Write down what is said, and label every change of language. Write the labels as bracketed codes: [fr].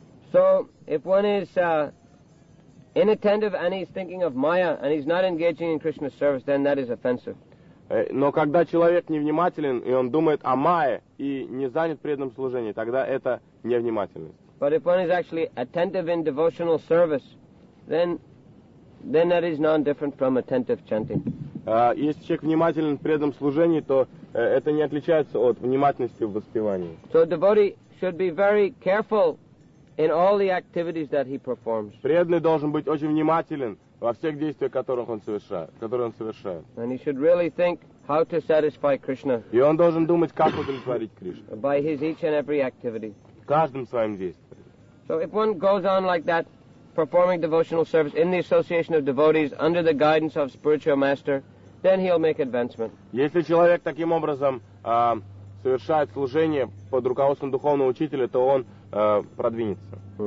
[en] So, if one is inattentive and he's thinking of Maya and he's not engaging in Krishna's service, then that is offensive. [ru] Но когда человек невнимателен, и он думает о Майе, и не занят преданным служением, тогда это невнимательность. [en] But if one is actually attentive in devotional service, then that is non-different from attentive chanting. [ru] Если человек внимателен в преданном служении, то это не отличается от внимательности в воспевании. [en] So a devotee should be very careful in all the activities that he performs. [ru] Преданный должен быть очень внимателен во всех действиях, которые он совершает. [en] And he should really think how to satisfy Krishna. [ru] И он должен думать, как удовлетворить Кришну. [en] By his each and every activity. [ru] Каждым своим действием. [en] So if one goes on like that, performing devotional service in the association of devotees under the guidance of spiritual master, then he'll make advancement. [ru] Если человек таким образом совершает служение под руководством духовного учителя, то он продвинется.